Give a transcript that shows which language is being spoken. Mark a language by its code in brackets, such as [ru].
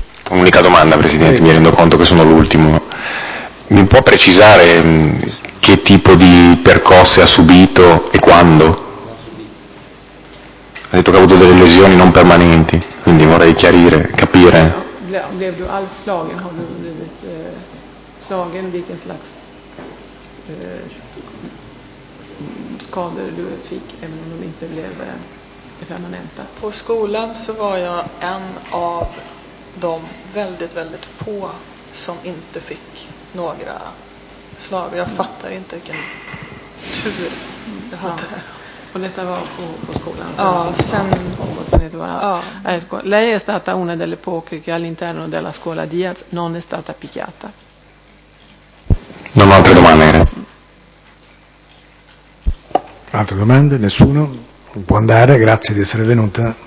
[it] Un'unica domanda, Presidente, sì. Mi rendo conto che sono l'ultimo. Mi può precisare che tipo di percosse ha subito e quando? Ha detto che ha avuto delle lesioni non permanenti, quindi vorrei chiarire, capire. [sv] Blev du all slagen? Har du blivit slagen? Vilken slags skador du fick, även om de inte blev permanenta? På skolan så var jag en av de väldigt, väldigt få som inte fick några slag. Jag fattar inte vilken tur jag hade. Ja. Och detta var på skolan. Ja, sen det var. [it] Ecco, lei è stata una delle poche che all'interno della scuola Diaz non è stata picchiata. Non ho altre domande. Altre domande? Nessuno? Può andare, grazie di essere venuta.